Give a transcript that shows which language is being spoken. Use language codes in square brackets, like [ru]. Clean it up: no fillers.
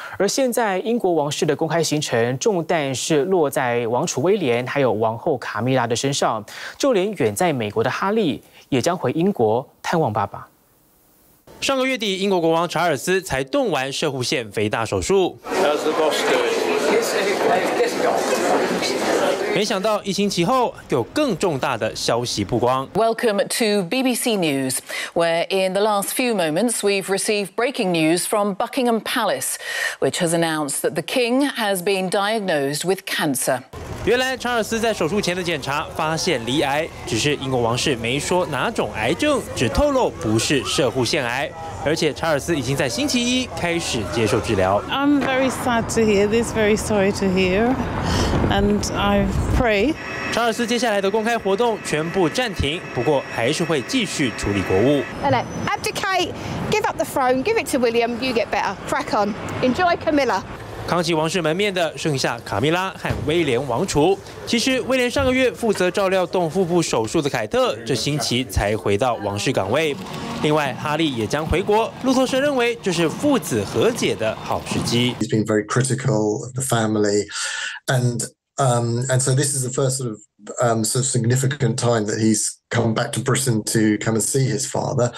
[zh] 而现在英国王室的公开行程重担是落在王储威廉还有王后卡米拉的身上，就连远在美国的哈利也将回英国探望爸爸。上个月底，英国国王查尔斯才动完射护腺肥大手术。没想到一星期后有更重大的消息曝光。 [en] Welcome to BBC News, where in the last few moments we've received breaking news from Buckingham Palace, which has announced that the King has been diagnosed with cancer. [zh] 原来查尔斯在手术前的检查发现罹癌，只是英国王室没说哪种癌症，只透露不是射护腺癌。而且查尔斯已经在星期一开始接受治疗。 [en] I'm very sad to hear this, very sorry to hear, and I pray. [zh] 查尔斯接下来的公开活动全部暂停，不过还是会继续处理国务。 [en] Hello, abdicate, give up the throne, give it to William, you get better, crack on, enjoy Camilla. [zh] 康熙王室门面的剩下卡米拉和威廉王储。其实威廉上个月负责照料动腹部手术的凯特这星期才回到王室岗位。另外哈利也将回国，路透社认为这是父子和解的好时机。 [en] He's been very critical of the family and so this is the first sort of, sort of significant time that he's come back to Britain to come and see his father.